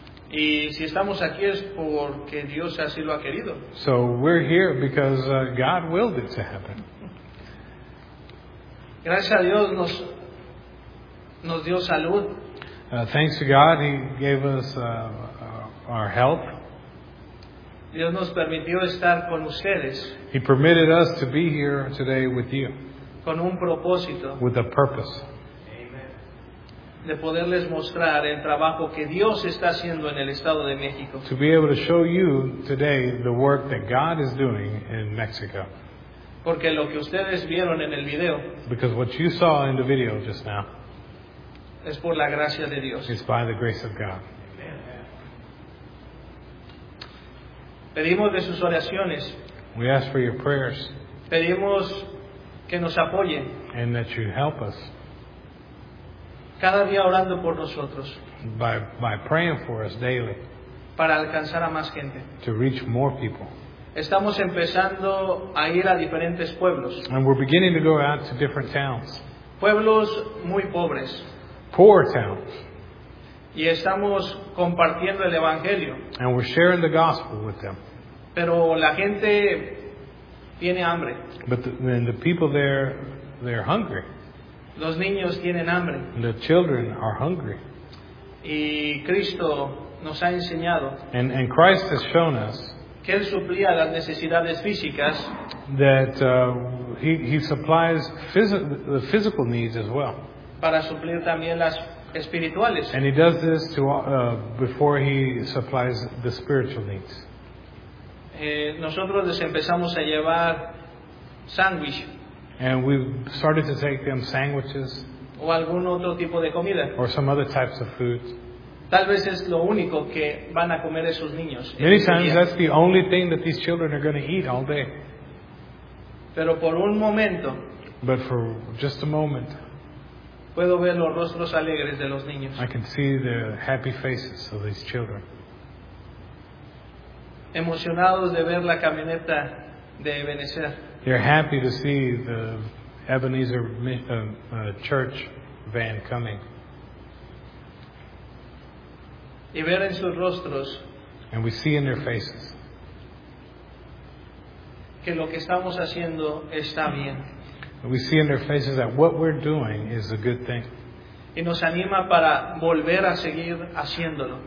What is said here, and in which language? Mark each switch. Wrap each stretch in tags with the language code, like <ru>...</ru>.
<es>Y si estamos aquí es porque Dios así lo ha querido.</es> <en>So we're here because God willed it to happen.</en> <es>Gracias a Dios nos dio salud.</es> <en>Thanks to God, He gave us our health.</en> <es>Dios nos permitió estar con ustedes.</es> <en>He permitted us to be here today with you.</en> <es>Con un propósito.</es> <en>With a purpose. Amen.</en> <es>De poderles mostrar el trabajo que Dios está haciendo en el Estado de México.</es> <en>To be able to show you today the work that God is doing in Mexico.</en> <es>Porque lo que ustedes vieron en el video.</es> <en>Because what you saw in the video just now.</en> <es>Es por la gracia de Dios.</es> <en>It's by the grace of God. Amen.</en> <es>Pedimos de sus oraciones.</es> <en>We ask for your prayers.</en> <es>Pedimos que nos apoyen.</es> <en>And that you help us.</en> <es>Cada día orando por nosotros.</es> <en>By praying for us daily.</en> <es>Para alcanzar a más gente.</es> <en>To reach more people.</en> <es>Estamos empezando a ir a diferentes pueblos.</es> <en>And we're beginning to go out to different towns.</en> <es>Pueblos muy pobres.</es> <en>Poor towns.</en> <es>Y estamos compartiendo el evangelio.</es> <en>And we're sharing the gospel with them.</en> <es>Pero la gente tiene hambre.</es> <en>But the people there, they're hungry.</en> <es>Los niños tienen hambre.</es> <en>The children are hungry.</en> <es>Y Cristo nos ha enseñado.</es> <en>And Christ has shown us</en> <es>que Él suplía las necesidades físicas.</es> <en>That he supplies the physical needs as well.</en> <es>Para suplir también las espirituales.</es> <en>And he does this to before he supplies the spiritual needs.</en> <es>Nosotros les empezamos a llevar sándwich.</es> <en>And we started to take them sandwiches.</en> <es>O algún otro tipo de comida.</es> <en>Or some other types of food.</en> <es>Tal vez es lo único que van a comer esos niños.</es> <en>Many times that's the only thing that these children are going to eat all day.</en> <es>Pero por un momento.</es> <en>But for just a moment.</en> <es>Puedo ver los rostros alegres de los niños.</es> <en>I can see the happy faces of these children.</en> <es>Emocionados de ver la camioneta de Ebenezer.</es> <en>They're happy to see the Ebenezer church van coming.</en> <es>y ver en sus rostros,</es> <en>and we see in their faces,</en> <es>que lo que estamos haciendo está bien.</es> <en>We see in their faces that what we're doing is a good thing.</en> <es>Y nos anima para volver a seguir haciéndolo.</es>